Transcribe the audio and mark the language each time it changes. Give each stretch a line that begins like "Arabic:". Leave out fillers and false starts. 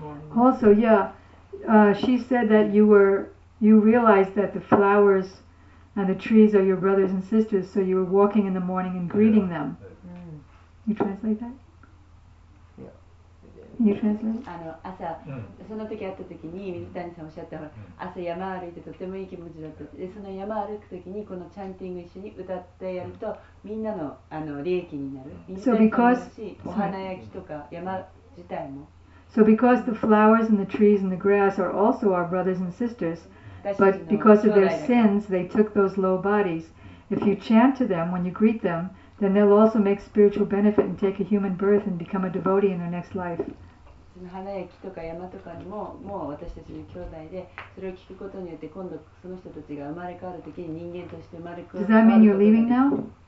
English: She said that you realized that the flowers and the trees are your brothers and sisters, so you were walking in the morning and greeting them. Mm. You translate that? Yeah. You translate?
Japanese: あの、朝、その時会った時に水谷さんおっしゃった、朝山歩いてとてもいい気持ちだった。で、その山歩く時にこのチャンティング一緒に歌ってやるとみんなの、あの、利益になる。
English: So because
Japanese: お花や木とか山自体も。
English: So because the flowers and the trees and the grass are also our brothers and sisters, but because of their sins, they took those low bodies. If you chant to them when you greet them, then they'll also make spiritual benefit and take a human birth and become a devotee in their next life. Does that mean you're leaving now?